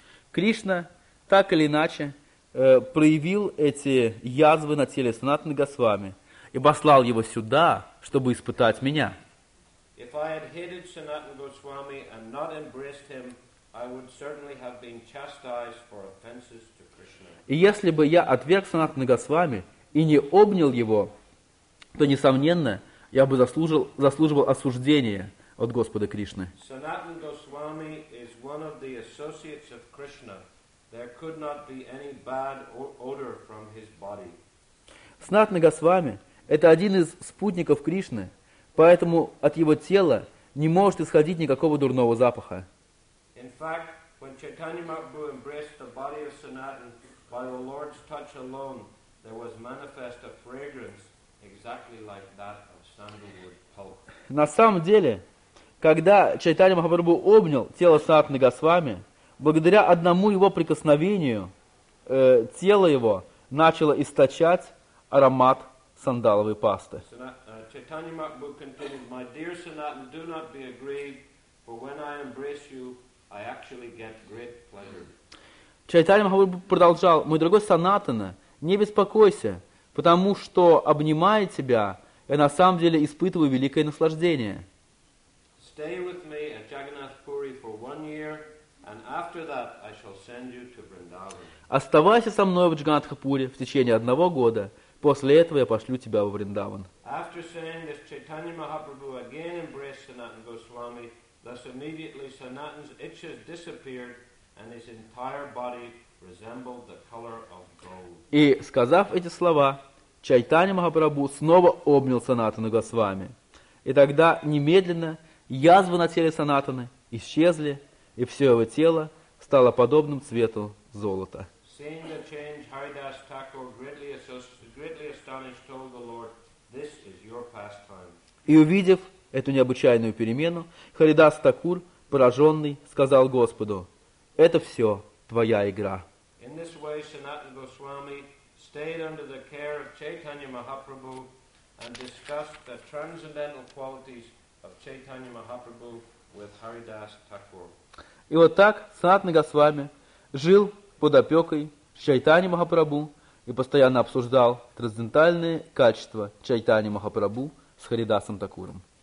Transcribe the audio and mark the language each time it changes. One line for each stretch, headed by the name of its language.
Russian: Кришна так или иначе проявил эти язвы на теле Санатана Госвами и послал его сюда, чтобы испытать меня.
English: If I had hated Sanatana Goswami and not embraced him, I would certainly have been chastised for offenses to Krishna.
Russian: И если бы я отверг Санатана Госвами и не обнял его, то несомненно, я бы заслуживал осуждения от Господа Кришны.
English: Sanatana Goswami is one of the associates of Krishna. There could not be any bad odor from his body.
Russian: Санатана Госвами — это один из спутников Кришны, поэтому от его тела не может исходить никакого дурного запаха.
English: In fact, when Chaitanya Mahaprabhu embraced the body of Sanatan, by the Lord's touch alone, there was manifest a fragrance exactly like that of sandalwood pulp.
Russian: На самом деле, когда Чайтанья Махапрабху обнял тело Санатана Госвами, благодаря одному его прикосновению тело его начало источать аромат сандаловой пасты.
English: Chaitanya Mahaprabhu continued, my dear Sanatan, do not be aggrieved, for when I embrace you, I actually get great pleasure.
Russian: Чайтанья Махапрабху продолжал, мой дорогой Санатана, не беспокойся, потому что, обнимая тебя, я на самом деле испытываю великое наслаждение.
English: Stay with me at Jagannath Puri for one year, and after that I shall send you to Vrindavan.
Russian: Оставайся со мной в Джаганнатхапуре в течение одного года, после этого я пошлю тебя во Вриндаван.
English: After saying this, Chaitanya Mahaprabhu again embraced Sanatana Goswami. Thus immediately Sanatana's itches disappeared, and his entire body resembled the color of gold.
Russian: И сказав эти слова, Чайтанья Махапрабху снова обнял Санатану Госвами. И тогда немедленно язвы на теле Санатаны исчезли, и все его тело стало подобным цвету золота.
English: Seeing the change, Haridas Thakur, greatly astonished, told the Lord, "This is your pastime."
Russian: И увидев эту необычайную перемену, Харидас Такур, пораженный, сказал Господу, "Это все твоя игра."
English: In this way, Sanatana Goswami stayed under the care of Chaitanya Mahaprabhu and discussed the transcendental qualities of Chaitanya Mahaprabhu with Haridas Thakur.
Russian: И вот так Санатана Госвами жил под опекой Чайтани Махапрабху и постоянно обсуждал трансцендентальные качества Чайтани Махапрабху с Харидасом Такуром.